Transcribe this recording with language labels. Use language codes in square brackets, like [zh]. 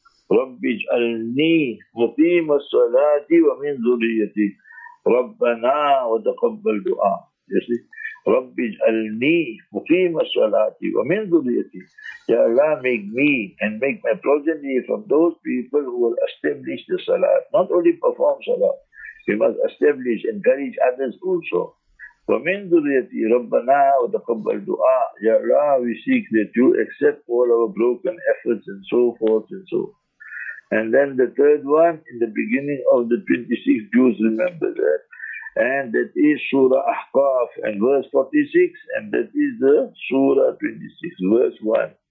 [ar] رَبِّ اجْعَلْنِي مُقِيمَ الصَّلَاةِ وَمِنْ ذُرِّيَّتِي رَبَّنَا وَتَقَبَّلْ دُعَا. [en] You see? [ar] رَبِّ اجْعَلْنِي مُقِيمَ الصَّلَاةِ وَمِنْ ذُرِّيَّتِي. [en] Ya Allah, make me and make my progeny from those people who will establish the salat. Not only perform salat, we must establish, encourage others also. [ar] ومن ذريتي ربنا وتقبل دعاء. [en] يا الله, we seek that you accept all our broken efforts and so forth and so on. And then the third one, in the beginning of the 26th, Jews remember that. And that is Surah Ahqaf and verse 46, and that is the Surah 26, verse 1.